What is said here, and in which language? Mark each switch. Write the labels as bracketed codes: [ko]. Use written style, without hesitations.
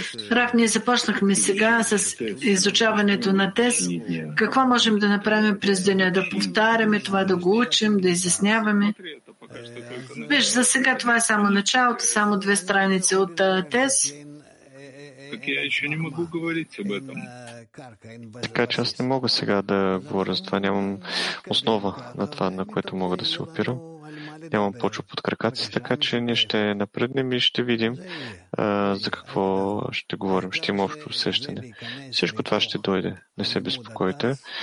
[bg] Раф, ние започнахме сега с изучаването на тез. Какво можем да направим през деня? Да повтаряме това, да го учим, да изясняваме. Виж, за сега това е само началото, само две страници от тез. [ru] так я еще не могу говорить об этом. [bg] Така че аз не мога сега да говоря за това. Нямам основа на това, на което мога да се опирам. Нямам почва под краката си, така че ние ще напреднем и ще видим за какво ще говорим. Ще има общо усещане. Всичко това ще дойде. Не се безпокойте.